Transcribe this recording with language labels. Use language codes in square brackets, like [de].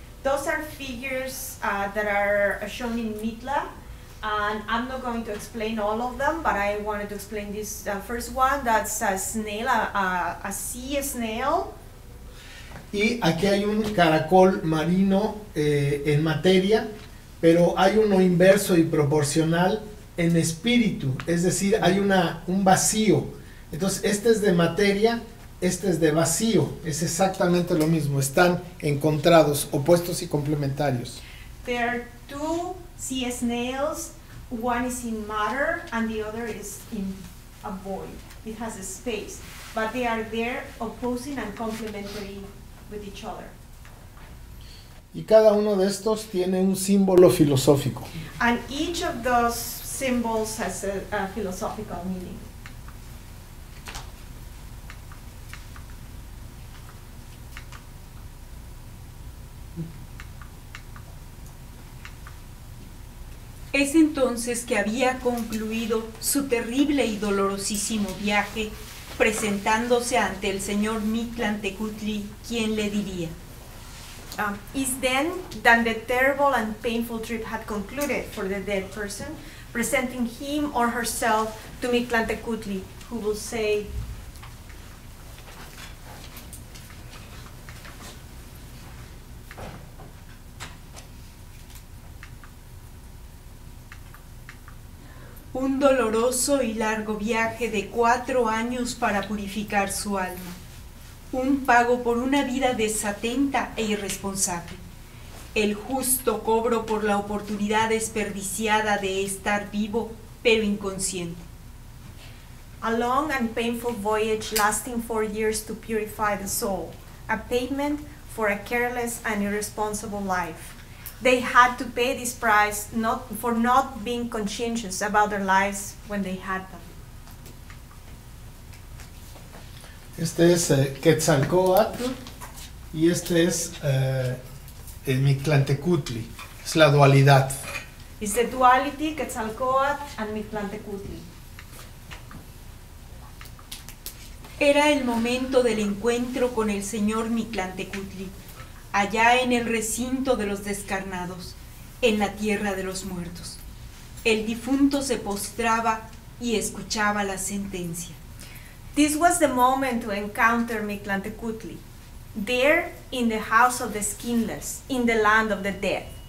[en] Those are figures that are shown in Mitla, and I'm not going to explain all of them, but I wanted to explain this first one. That's a snail, a sea snail. [es] Y aquí hay un caracol marino en materia, pero hay uno inverso y proporcional en espíritu, es decir, hay un vacío. Entonces, este es de materia, este es de vacío, es exactamente lo mismo, están encontrados, opuestos y complementarios. [en] There are two sea snails, one is in matter and the other is in a void, it has a space, but they are there opposing and complementary with each other. [es] Y cada uno de estos tiene un símbolo filosófico. [en] And each of those symbols has a philosophical meaning. [es] Es entonces que había concluido su terrible y dolorosísimo viaje, presentándose ante el señor Mictlantecuhtli, quien le diría. [en] Is then that the terrible and painful trip had concluded for the dead person, presenting him or herself to Mictlantecuhtli, who will say, [es] un doloroso y largo viaje de 4 años para purificar su alma. Un pago por una vida desatenta e irresponsable. El justo cobro por la oportunidad desperdiciada de estar vivo, pero inconsciente. [en] A long and painful voyage lasting 4 years to purify the soul. A payment for a careless and irresponsible life. They had to pay this price for not being conscientious about their lives when they had them. [es] Este es Quetzalcóatl y este es el Mictlantecuhtli. Es la dualidad. [en] Is the duality Quetzalcóatl and Mictlantecuhtli. [es] Era el momento del encuentro con el señor Mictlantecuhtli. Allá en el recinto de los descarnados, en la tierra de los muertos, el difunto se postraba y escuchaba la sentencia. [en] This was the moment to encounter Mictlantecuhtli, there in the house of the skinless, in the land of the dead.